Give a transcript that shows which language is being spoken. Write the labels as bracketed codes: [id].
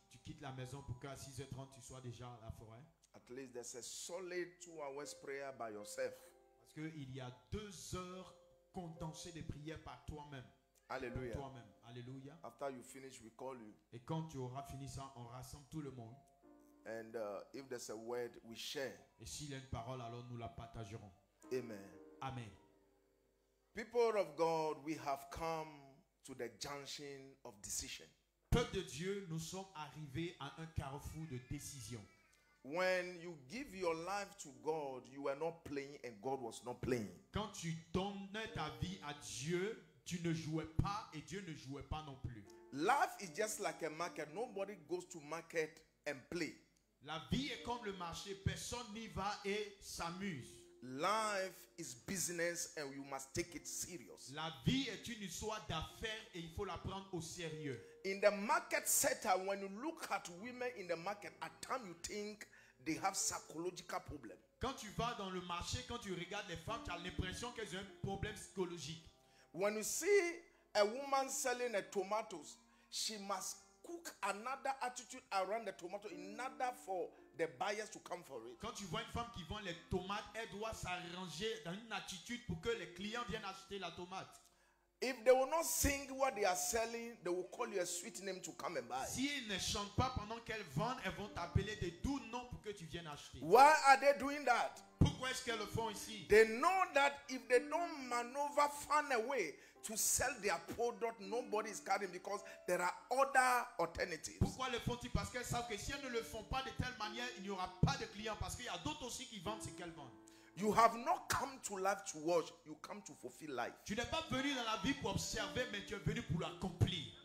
[fr] Tu quittes la maison pour qu'à 6h30 tu sois déjà à la forêt. [en] At least there's a solid 2 hours prayer by yourself. [fr] Parce qu'il y a 2 heures condensées de prière par toi-même. Alléluia. Toi-même. Alléluia. [en] After you finish, we call you. [fr] Et quand tu auras fini ça, on rassemble tout le monde. [en] And if there's a word, we share. [fr] Et s'il y a une parole, alors nous la partagerons. [en] Amen. [fr] Amen. [en] People of God, we have come to the junction of decision. [fr] Peuple de Dieu, nous sommes arrivés à un carrefour de décision. [en] When you give your life to God, you are not playing and God was not playing. [fr] Quand tu donnais ta vie à Dieu, tu ne jouais pas et Dieu ne jouait pas non plus. [en] Life is just like a market. Nobody goes to market and play. [fr] La vie est comme le marché, personne n'y va et s'amuse. [en] Life is business and you must take it serious. [fr] La vie est une histoire d'affaires et il faut la prendre au sérieux. [en] In the market sector, when you look at women in the market, at times you think they have psychological problems. [fr] Quand tu vas dans le marché, quand tu regardes les femmes, tu as l'impression qu'elles ont un problème psychologique. [en] When you see a woman selling a tomatoes, she must cook another attitude around the tomato in order for the buyers to come for it. [fr] Quand tu vois une femme qui vend les tomates, elle doit s'arranger dans une attitude pour que les clients viennent acheter la tomate. [en] If they will not sing what they are selling, they will call you a sweet name to come and buy. [fr] Si elles ne chantent pas pendant qu'elles vendent, elles vont t'appeler des doux noms pour que tu viennes acheter. [en] Why are they doing that? [fr] Pourquoi est-ce qu'elles le font ici? [en] They know that if they don't maneuver find a way to sell their product, nobody is carrying because there are other alternatives. [fr] Pourquoi le font-ils? Parce qu'elles savent que si elles ne le font pas de telle manière, il n'y aura pas de clients parce qu'il y a d'autres aussi qui vendent ce qu'elles vendent. [en] You have not come to life to watch. You come to fulfill life. [fr] Tu n'es pas venu dans la vie pour observer, mais tu es venu pour l'accomplir.